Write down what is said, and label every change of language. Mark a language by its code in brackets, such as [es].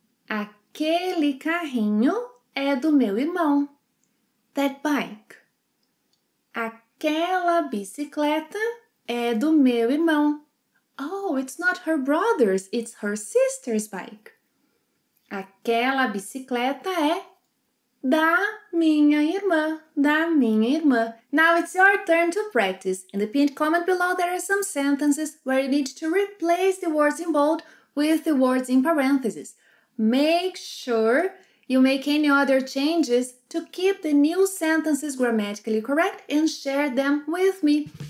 [pt] Aquele carrinho é do meu irmão. [en] That bike. [pt] Aquela bicicleta é do meu irmão. [en] Oh, it's not her brother's, it's her sister's bike. [pt] Aquela bicicleta é da minha irmã, da minha irmã. [en] Now it's your turn to practice. In the pinned comment below, there are some sentences where you need to replace the words in bold with the words in parentheses. Make sure you make any other changes to keep the new sentences grammatically correct and share them with me.